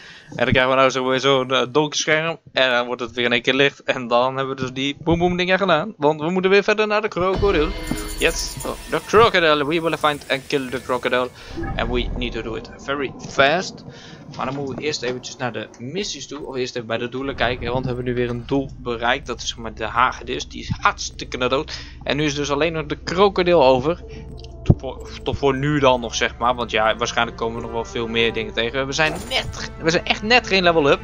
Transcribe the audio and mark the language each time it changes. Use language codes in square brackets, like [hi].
[nl] En dan krijgen we nou weer zo'n donker scherm. En dan wordt het weer in één keer licht. En dan hebben we dus die boem-boem-dingen gedaan. Want we moeten weer verder naar de krokodil. [en] Yes, [nl] de krokodil. [en] We will find and kill the krokodil. And we need to do it very fast. [nl] Maar dan moeten we eerst eventjes naar de missies toe. Of eerst even bij de doelen kijken. Want we hebben nu weer een doel bereikt. Dat is met de hagedis. Die is hartstikke naar dood. En nu is dus alleen nog de krokodil over. Tot voor nu dan nog, zeg maar. Want ja, waarschijnlijk komen we nog wel veel meer dingen tegen. We zijn echt net geen level up.